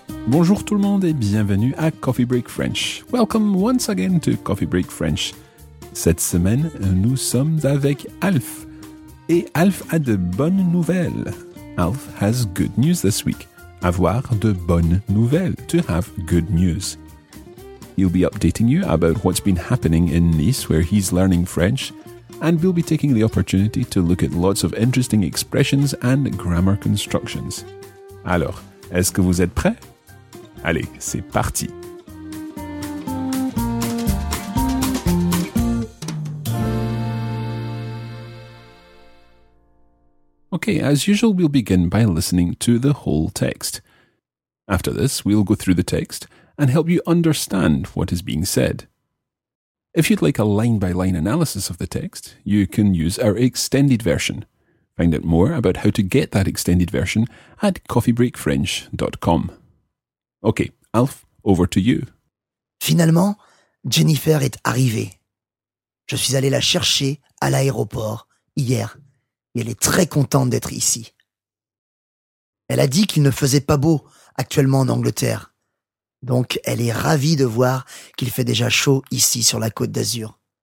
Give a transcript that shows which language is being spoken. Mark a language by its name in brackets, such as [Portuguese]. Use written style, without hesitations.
[French] Bonjour tout le monde et bienvenue à Coffee Break French. [English] Welcome once again to Coffee Break French. [French] Cette semaine, nous sommes avec Alf. Et Alf a de bonnes nouvelles. [English] Alf has good news this week. [French] Avoir de bonnes nouvelles. [English] To have good news. He'll be updating you about what's been happening in Nice, where he's learning French. And we'll be taking the opportunity to look at lots of interesting expressions and grammar constructions. [French] Alors, est-ce que vous êtes prêts? Allez, c'est parti! [English] Okay, as usual, we'll begin by listening to the whole text. After this, we'll go through the text and help you understand what is being said. If you'd like a line-by-line analysis of the text, you can use our extended version. Find out more about how to get that extended version at coffeebreakfrench.com. Ok, Alf, over to you. [French] Finalement, Jennifer est arrivée. Je suis allé la chercher à l'aéroport hier et elle est très contente d'être ici. Elle a dit qu'il ne faisait pas beau actuellement en Angleterre. Donc, elle est ravie de voir qu'il fait déjà chaud ici sur la Côte d'Azur.